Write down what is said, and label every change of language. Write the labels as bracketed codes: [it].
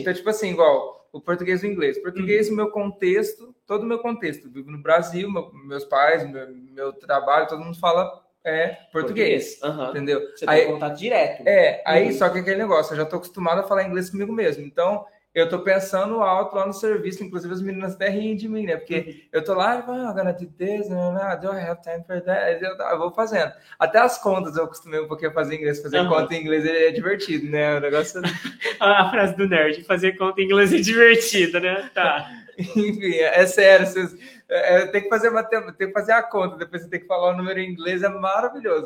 [pt] Então, tipo assim, igual o português e o inglês. Português, uhum, meu contexto, todo o meu contexto. Vivo no Brasil, meus pais, meu trabalho, todo mundo fala... É português. Uhum. Entendeu? Você aí, tem contato direto. É, aí só que aquele negócio, eu já tô acostumado a falar inglês comigo mesmo. Então, eu tô pensando alto lá no serviço, inclusive as meninas até riem de mim, né? Porque eu tô lá, [en] oh, I'm gonna do this, do I have time for that? [pt] Eu vou fazendo. Até as contas eu acostumei um pouquinho a fazer inglês, fazer conta em inglês é divertido, né? O negócio. A frase do nerd, fazer conta em inglês é divertido, né? Tá. Enfim, é sério, vocês. Tem que fazer a conta, depois você tem que falar o número em inglês, é maravilhoso.